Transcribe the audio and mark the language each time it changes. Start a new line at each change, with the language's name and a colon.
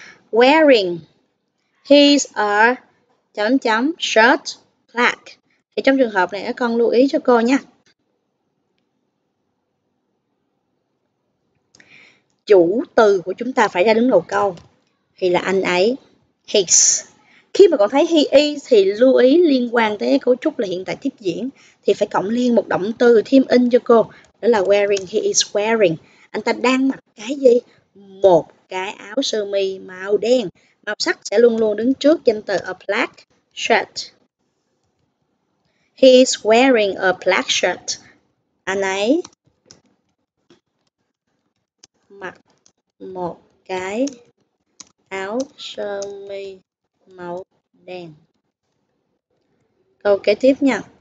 English: Wearing his
Vietnamese: chấm chấm
English: shirt black.
Vietnamese: Thì trong trường hợp này các con lưu ý cho cô nha. Chủ từ của chúng ta phải ra đứng đầu câu thì là anh ấy, his. Khi mà con thấy
English: he is
Vietnamese: thì lưu ý liên quan tới cái cấu trúc là hiện tại tiếp diễn thì phải cộng liên một động từ thêm in cho cô, đó là
English: wearing, he is wearing.
Vietnamese: Anh ta đang mặc cái gì? Một cái áo sơ mi màu đen. Màu sắc sẽ luôn luôn đứng trước danh từ
English: a black shirt. He's wearing a black shirt.
Vietnamese: Anh ấy mặc một cái áo sơ mi màu đen. Câu kế tiếp nha.